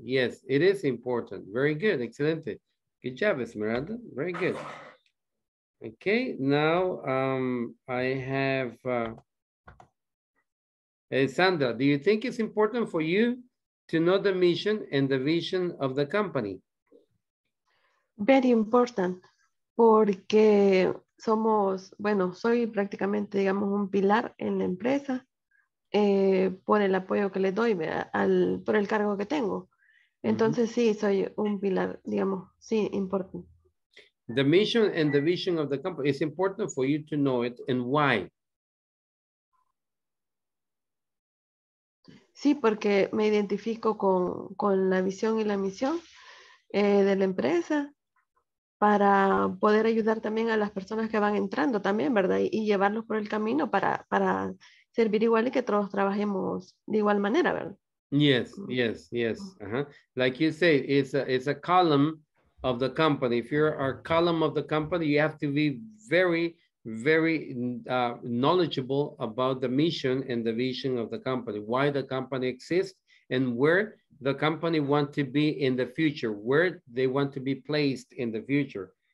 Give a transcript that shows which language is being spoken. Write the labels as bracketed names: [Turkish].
[English] Yes, it is important. Very good. Excellent. Good job, Esmeralda. Very good. Okay, now I have Sandra. Do you think it's important for you to know the mission and the vision of the company? Very important, [Spanish] porque somos, bueno, soy prácticamente, digamos, un pilar en la empresa por el apoyo que le doy, al, por el cargo que tengo. Entonces, mm-hmm. Sí, soy un pilar, digamos, sí, importante. [English] The mission and the vision of the company is important for you to know it and why. [Spanish] Sí, porque me identifico con la visión y la misión de la empresa. Para poder ayudar también a las personas que van entrando también, ¿verdad? Y llevarlos por el camino para servir igual y que todos trabajemos de igual manera, ¿verdad? [English] Yes, yes, yes. Uh-huh. Like you say, it's a column of the company. If you're a column of the company, you have to be very, very knowledgeable about the mission and the vision of the company, why the company exists and where the company want to be in the future, where they want to be placed in the future.